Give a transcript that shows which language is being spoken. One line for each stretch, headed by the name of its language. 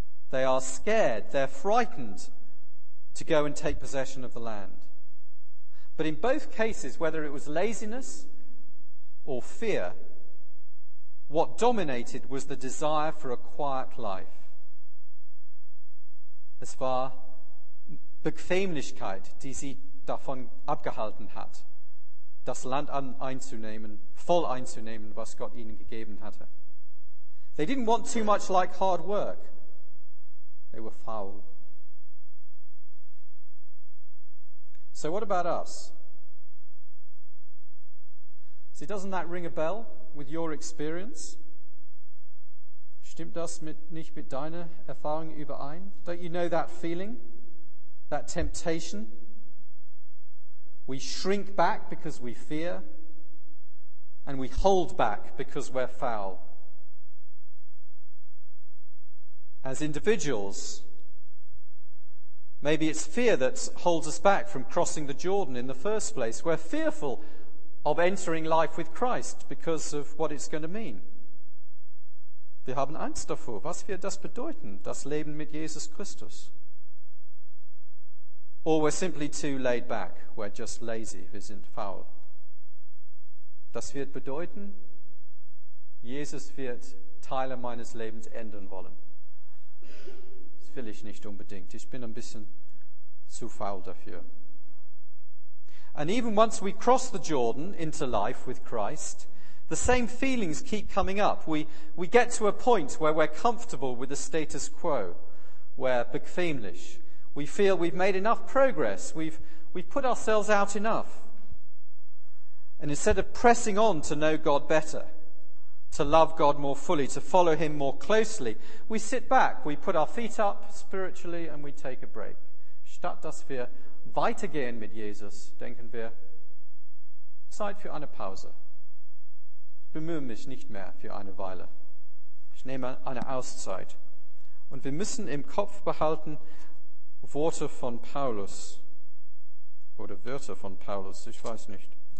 English: They are scared, they're frightened to go and take possession of the land. But in both cases, whether it was laziness or fear, what dominated was the desire for a quiet life.
German: Es war Bequemlichkeit, die sie davon abgehalten hat, das Land einzunehmen, voll einzunehmen, was Gott ihnen gegeben hatte.
English: They didn't want too much like hard work. They were foul. So what about us? See, doesn't that ring a bell with your experience?
German: Stimmt das nicht mit deiner Erfahrung überein?
English: Don't you know that feeling? That temptation? We shrink back because we fear, and we hold back because we're foul. As individuals, maybe it's fear that holds us back from crossing the Jordan in the first place. We're fearful of entering life with Christ because of what it's going to mean.
German: Wir haben Angst davor, was wird das bedeuten, das Leben mit Jesus Christus?
English: Or we're simply too laid back, we're just lazy,
German: wir sind faul. Das wird bedeuten, Jesus wird Teile meines Lebens ändern wollen. Das will ich nicht unbedingt, ich bin ein bisschen zu faul dafür.
English: And even once we cross the Jordan into life with Christ, the same feelings keep coming up. We get to a point where we're comfortable with the status quo, we're bequemlich. We feel we've made enough progress, we've put ourselves out enough. And instead of pressing on to know God better, to love God more fully, to follow him more closely, we sit back, we put our feet up spiritually and we take a break.
German: Statt dass wir weitergehen mit Jesus, denken wir, Zeit für eine Pause. Ich bemühe mich nicht mehr für eine Weile. Ich nehme eine Auszeit. Und wir müssen im Kopf behalten, Worte von Paulus oder Wörter von Paulus, ich weiß nicht.